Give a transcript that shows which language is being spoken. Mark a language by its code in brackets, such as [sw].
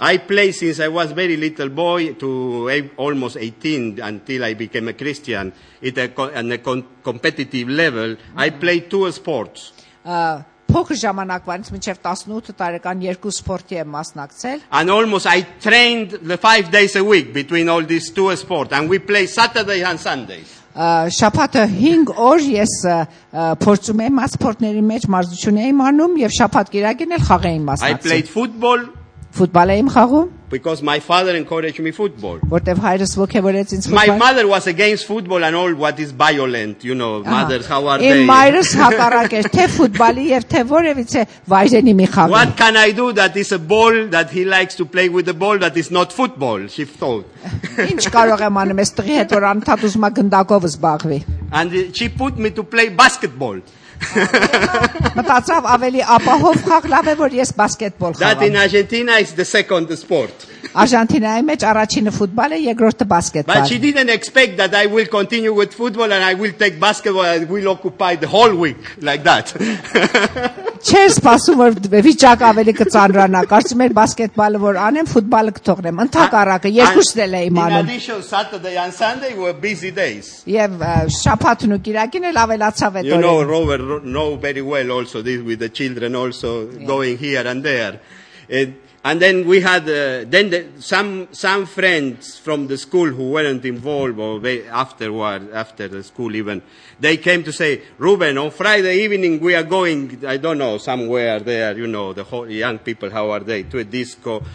[en] I played since I was very little boy to almost 18 until I became a Christian at a competitive level. I played two sports. [hy] Փոքր ժամանակվանից մինչեւ 18 տարեկան երկու սպորտի եմ մասնակցել։ [en] And almost I trained the 5 days a week between all these two sports and we play Saturday and Sunday. [hy] Շաբաթը 5 օր ես փորձում եմ ասպորտների մեջ մարզություն եմ անում եւ շաբաթ-կիրակին էլ խաղային մասնակցում։ [en] I played football. [hy] Ֆուտբոլ եմ խաղում։ [en] Because my father encouraged me football. [hy] Որտեւ հայրս ոգևորեց ինձ [en] ֆուտբոլ։ My mother was against football and all what is violent, you know, mother how are they? [hy] Իմ մայրս հակառակ էր, թե ֆուտբոլի եւ թե որևիցե վայրենի մի խաղի։ [en] What can I do that is a ball that he likes to play with the ball that is not football, she thought. [hy] Ինչ կարող եմ անեմ, ես տղի հետ որ անդադ ուզում եմ գնդակով զբաղվի։ [en] And she put me to play basketball. [hy] Մտածավ ավելի ապահով խաղ լավ է որ ես բասկետբոլ խաղամ։ [en] That in Argentina is the second sport. [hy] Արժանտինայի մեջ առաջինը ֆուտբոլ է, երկրորդը բասկետբոլ։ [en] But she didn't expect that I will continue with football and I will take basketball and will occupy the whole week like that. [hy] Չէր սպասում որ վիճակ ավելի կծանրանա, կարծում էր բասկետբոլը որ անեմ, ֆուտբոլը կթողնեմ, ընդհակառակը երկուսն էլ էի անում։ [en] In addition, Saturday and Sunday were busy days. [hy] Եվ շաբաթն ու կիրակին էլ ավելացավ այդ օրը։ [en] You know Robert know very well also this with the children also going here and there. And And then we had some friends from the school who weren't involved, or they, after the school even, they came to say, Ruben, on Friday evening we are going, I don't know, somewhere there, you know, the whole young people, how are they, to a disco.